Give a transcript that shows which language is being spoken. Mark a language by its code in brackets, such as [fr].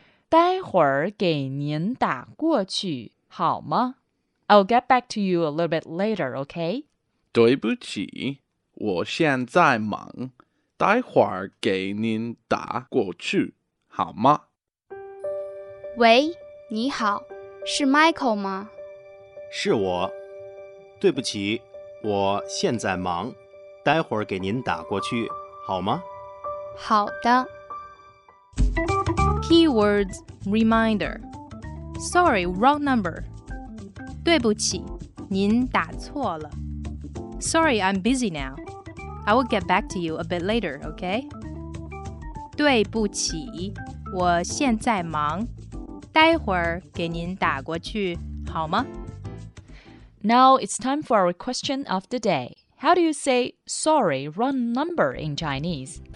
[zh] 待会儿给您打过去,好吗? [en] I'll get back to you a little bit later, okay? [zh] 对不起,我现在忙,待会儿给您打过去,好吗? 喂,你好,是 Michael 吗? 是我。对不起,我现在忙,待会儿给您打过去,好吗? 好的。 [en] Keywords reminder. Sorry, wrong number. [zh] 对不起,您打错了。 [en] Sorry, I'm busy now. I will get back to you a bit later, okay? [zh] 对不起,我现在忙。待会儿给您打过去,好吗? [en] Now it's time for our question of the day. How do you say sorry, wrong number in Chinese?